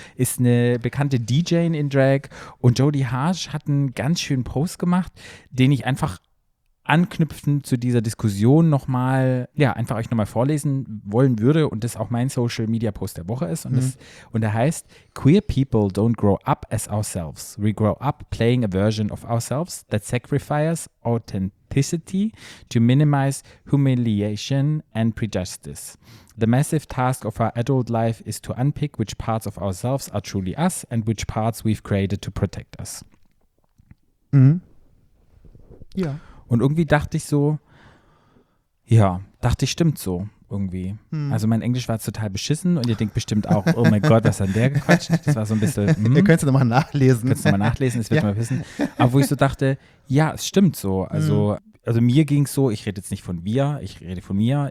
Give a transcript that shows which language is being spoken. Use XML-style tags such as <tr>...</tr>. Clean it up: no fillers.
<de>Ist eine bekannte DJ in Drag. Und Jodie Harsh hat einen ganz schönen Post gemacht, den ich einfach anknüpfend zu dieser Diskussion nochmal, ja, einfach euch nochmal vorlesen wollen würde. Und das auch mein Social Media Post der Woche ist. Und der heißt:</de> <en>Queer people don't grow up as ourselves. We grow up playing a version of ourselves that sacrifices authenticity to minimize humiliation and prejudice. The massive task of our adult life is to unpick which parts of ourselves are truly us and which parts we've created to protect us.</en> <de>Ja. Und irgendwie dachte ich so, ja, dachte ich, stimmt so irgendwie. Also mein Englisch war total beschissen, und ihr denkt bestimmt auch, oh mein Gott, was hat der gequatscht? Das war so ein bisschen, Ihr könnt es nochmal nachlesen. Das wird mal wissen. Aber wo ich so dachte, ja, es stimmt so. Also mir ging es so, ich rede jetzt nicht von wir, ich rede von mir.</de>